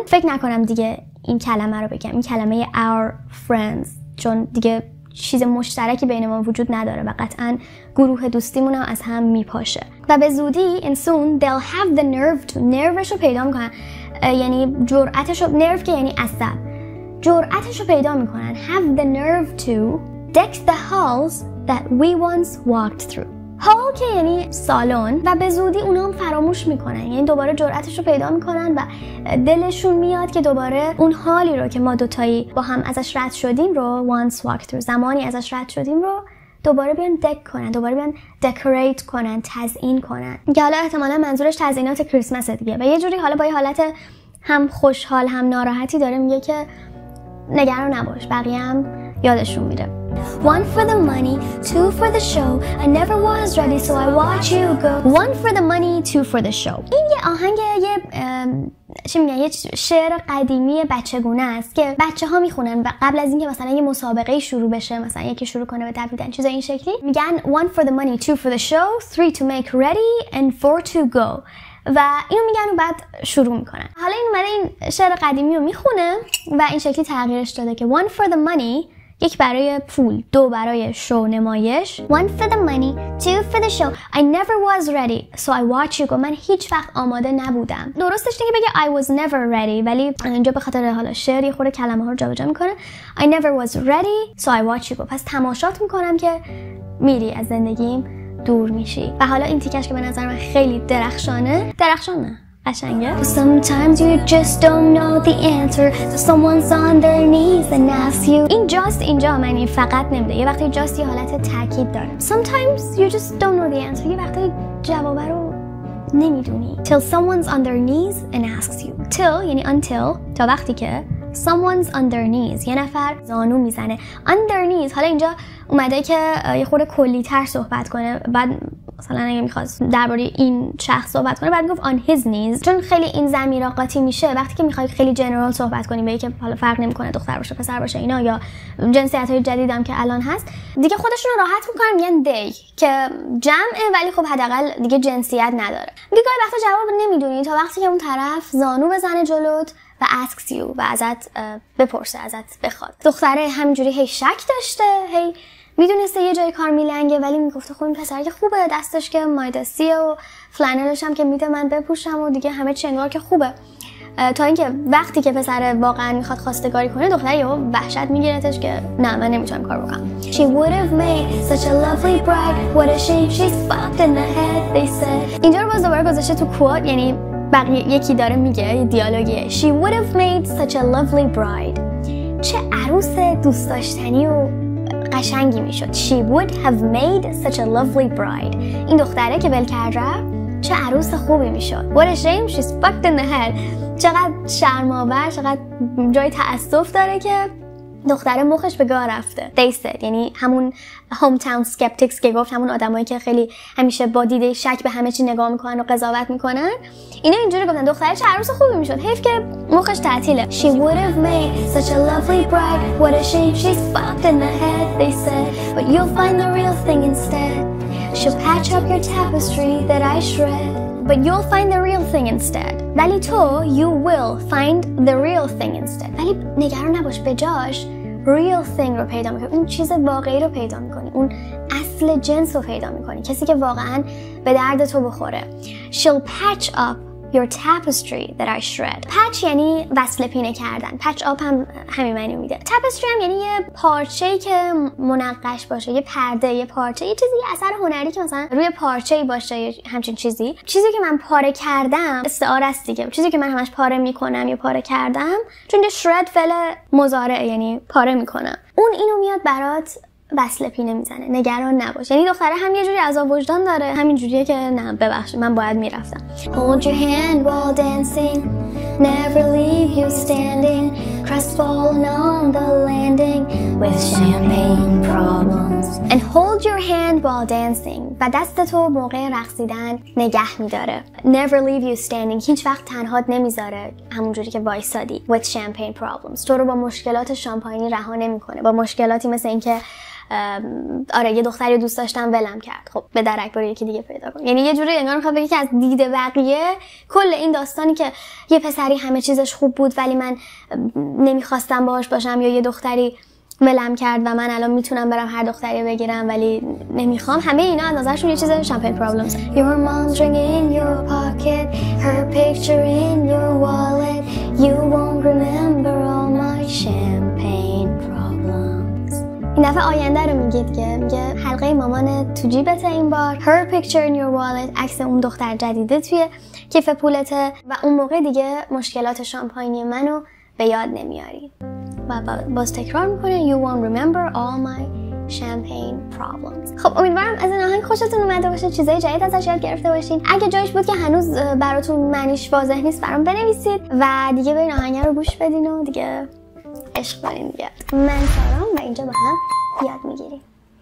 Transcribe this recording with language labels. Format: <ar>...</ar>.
<fa>فکر نکنم دیگه این کلمه رو بگم، این کلمه</fa> <en>our friends،</en> <fa>چون دیگه چیز مشترکی بین ما وجود نداره و قطعا گروه دوستیمون هم از هم میپاشه. و به زودی</fa> <en>and soon they'll have the nerve to،</en> <fa>نروشو پیدا میکنن، یعنی جرعتشو، نرف که یعنی عصب، جرعتشو پیدا میکنن.</fa> <en>have the nerve to deck the halls that we once walked through.</en> <fa>hall که یعنی سالن، و به زودی اونا هم فراموش میکنن، یعنی دوباره جرعتشو پیدا میکنن و دلشون میاد که دوباره اون حالی رو که ما دوتایی با هم ازش رد شدیم رو،</fa> <en>once walked through،</en> <fa>زمانی ازش رد شدیم رو، دوباره بیان دک کنن، دوباره بیان دکوریت کنن، تزیین کنن. یا حالا احتمالا منظورش تزیینات کریسمسه دیگه. و یه جوری حالا با یه حالت هم خوشحال هم ناراحتی داره میگه که نگران نباش، بقیه هم یادشون میره.</fa> <en>One for the money, two for the show. I never was ready, so I watch you go. One for the money, two for the show.</en> <fa>این یه آهنگ، یه چی میگن، یه شعر قدیمی بچگونه است که بچه‌ها میخونن و قبل از اینکه مثلا یه مسابقه شروع بشه، مثلا یکی شروع کنه به دویدن، چیزای این شکلی، میگن</fa> <en>one for the money, two for the show, three to make ready and four to go.</en> <fa>و اینو میگن و بعد شروع میکنن. حالا این اومده این شعر قدیمی رو میخونه و این شکلی تغییرش داده که</fa> <en>one for the money،</en> <fa>یک برای پول، دو برای شو، نمایش.</fa> <en>One for the money, two for the show. I never was ready, so I watch you go.</en> <fa>من هیچ وقت آماده نبودم. درستش نگه بگه</fa> <en>I was never ready،</en> <fa>ولی اینجا به خاطر حالا شعر یه خورده کلمه ها رو جابجا میکنه.</fa> <en>I never was ready, so I watch you go.</en> <fa>پس تماشات میکنم که میری از زندگیم دور میشی. و حالا این تیکش که به نظر من خیلی درخشانه، درخشانه، قشنگه.</fa> <en>Sometimes you just don't know the answer, so someone's on their knees and asks you.</en> <fa>این just اینجا معنی فقط نمیده، یه وقتی just یه حالت تاکید داره.</fa> <en>Sometimes you just don't know the answer،</en> <fa>یه وقتی جواب رو نمیدونی.</fa> <en>Till someone's on their knees and asks you.</en> <fa>Till یعنی until، تا وقتی که</fa> <en>someone's on their knees،</en> <fa>یه نفر زانو میزنه.</fa> <en>On their knees،</en> <fa>حالا اینجا اومده که یه خورده کلی تر صحبت کنه، بعد مثلا اگه میخواست درباره این شخص صحبت کنه بعد میگفت</fa> <en>on his knees،</en> <fa>چون خیلی این ضمیر قاطی میشه وقتی که میخوای خیلی جنرال صحبت کنی به اینکه حالا فرق نمیکنه دختر باشه پسر باشه اینا یا جنسیت های جدید هم که الان هست، دیگه خودشون راحت میکنن میگن they که جمعه ولی خب حداقل دیگه جنسیت نداره. دیگه وقتا جواب نمیدونی تا وقتی که اون طرف زانو بزنه جلوت و</fa> <en>asks you</en> <fa>و ازت بپرسه ازت بخواد. دختره همینجوری هی شک داشته، هی میدونسته یه جای کار میلنگه ولی میگفته خب این پسر که خوبه، دستش که مایدسیه و فلانلش هم که میده من بپوشم و دیگه همه چی انگار که خوبه، تا اینکه وقتی که پسر واقعا میخواد خواستگاری کنه دختره یهو وحشت میگیرتش که نه من نمیتونم کار بکنم.</fa> <en>She would have made such a lovely bride, what a shame she's fucked in the head they said.</en> <fa>اینجا رو باز دوباره گذاشته تو کوت، یعنی بقیه یکی داره میگه یه دیالوگیه.</fa> <en>She would have made such a lovely bride.</en> <fa>چه عروس دوست داشتنی و قشنگی میشد.</fa> <en>She would have made such a lovely bride.</en> <fa>این دختره که ول کرده چه عروس خوبی میشد.</fa> <en>What a shame she's fucked in the head.</en> <fa>چقدر شرم‌آور، چقدر جای تأسف داره که دختره مخش به گاه رفته.</fa> <en>They said،</en> <fa>یعنی همون</fa> <en>hometown skeptics</en> <fa>که گفت، همون آدمایی که خیلی همیشه با دیده شک به همه چی نگاه میکنن و قضاوت میکنن، اینا اینجوری گفتن دختره چه عروس خوبی میشد، حیف که مخش تعطیله.</fa> <en>She would have made such a lovely bride, what a shame she's fucked in the head they said, but you'll find the real thing instead, she'll patch up your tapestry that I shred, but you'll find the real thing instead.</en> <fa>ولی تو</fa> <en>you will find the real thing instead.</en> <fa>ولی نگران نباش، به جاش</fa> <en>real thing</en> <fa>رو پیدا میکنی، اون چیز واقعی رو پیدا میکنی، اون اصل جنس رو پیدا میکنی، کسی که واقعا به درد تو بخوره.</fa> <en>She'll patch up your tapestry that I shred.</en> <fa>Patch یعنی وصله پینه کردن. Patch up هم همین معنی میده. Tapestry هم یعنی یه پارچه‌ای که منقش باشه، یه پرده، یه پارچه، یه چیزی، یه اثر هنری که مثلا روی پارچه‌ای باشه، یه همچین چیزی. چیزی که من پاره کردم، استعاره است دیگه. چیزی که من همش پاره میکنم یا پاره کردم، چون یه shred فعل مضارع یعنی پاره میکنم. اون اینو میاد برات وصله پینه میزنه. نگران نباش. یعنی دختره هم یه جوری عذاب وجدان داره، همین جوریه که نه ببخشید من باید میرفتم.</fa> <en>Hold your hand while dancing, never leave you standing, crestfallen on the landing with champagne problems. And hold your hand while dancing.</en> <fa>و دست تو موقع رقصیدن نگه میداره.</fa> <en>Never leave you standing.</en> <fa>هیچ وقت تنهات نمیذاره همون جوری که وایسادی.</fa> <en>With champagne problems.</en> <fa>تو رو با مشکلات شامپاینی رها نمیکنه. با مشکلاتی مثل اینکه آره یه دختری دوست داشتم ولم کرد، خب به درک برو یکی دیگه پیدا کن. یعنی یه جوری انگار میخواد بگه که از دید بقیه کل این داستانی که یه پسری همه چیزش خوب بود ولی من نمیخواستم باهاش باشم، یا یه دختری ولم کرد و من الان میتونم برم هر دختری بگیرم ولی نمیخوام، همه اینا از نظرشون یه چیز</fa> <en>Champagne problems. Your mom's ring in your pocket, her picture in your wallet, you won't remember all my champagne problems.</en> <fa>این دفعه آینده رو میگه دیگه، میگه حلقه مامان تو جیبته این بار،</fa> <en>her picture in your wallet،</en> <fa>عکس اون دختر جدیده توی کیف پولته، و اون موقع دیگه مشکلات شامپاینی منو به یاد نمیاری. و باز تکرار میکنه</fa> <en>You won't remember all my champagne problems.</en> <fa>خب امیدوارم از این آهنگ خوشتون اومده باشه، چیزای جدید ازش یاد گرفته باشین. اگه جایش بود که هنوز براتون معنیش واضح نیست برام بنویسید و دیگه برین آهنگ رو گوش بدین و دیگه عشق کنین دیگه. من سارام و اینجا با هم یاد میگیریم.</fa>